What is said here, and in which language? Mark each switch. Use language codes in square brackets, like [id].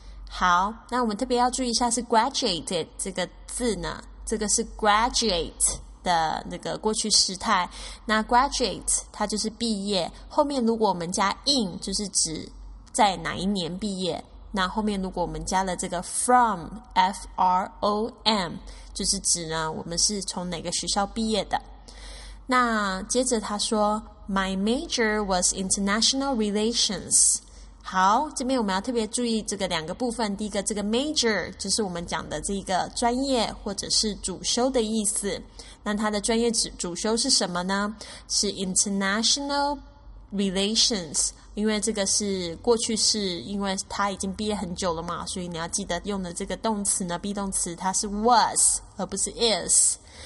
[zh] 好，那我们特别要注意一下是 graduated 这个字呢，这个是 graduate 的那个过去时态。那 graduate 它就是毕业，后面如果我们加 in 就是指在哪一年毕业，那后面如果我们加了这个 from F-R-O-M 就是指呢我们是从哪个学校毕业的。那接着他说 [en] My major was international relations。 [zh] 好，这边我们要特别注意这个两个部分。第一个，这个 major 就是我们讲的这个专业或者是主修的意思。那他的专业 主修是什么呢？ [en] 是 international relations。 [zh] 因为这个是过去式，因为他已经毕业很久了嘛，所以你要记得用的这个动词呢 be 动词，它是 was 而不是 is。